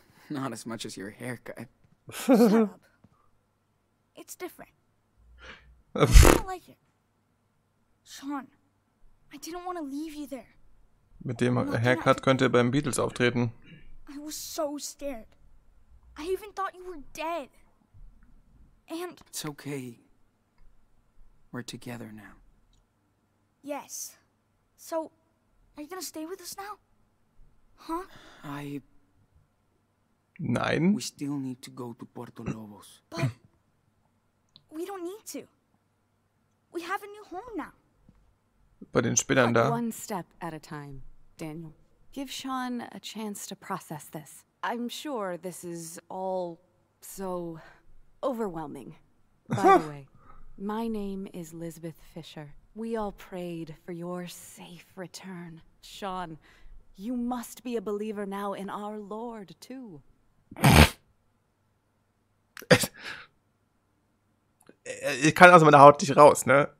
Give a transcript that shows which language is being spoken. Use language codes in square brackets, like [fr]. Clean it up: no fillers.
[en] Not as much as your haircut. Shut up. It's different. I don't like it. Sean, I didn't want to leave you there. [de] Mit dem Haircut könnte er beim Beatles auftreten. [en] I was so scared. I even thought you were dead. And... It's okay. We're together now. Yes. So, are you gonna stay with us now? Huh? I... [de] Nein. [en] We still need to go to Puerto Lobos. But we don't need to. We have a new home now. [de] Bei den Spinnern da. [en] One step at a time, Daniel. Give Sean a chance to process this. I'm sure this is all so overwhelming. By the way, my name is Lisbeth Fisher. We all prayed for your safe return. Sean, you must be a believer now in our Lord, too. [de] Ich kann aus meiner Haut nicht raus, ne?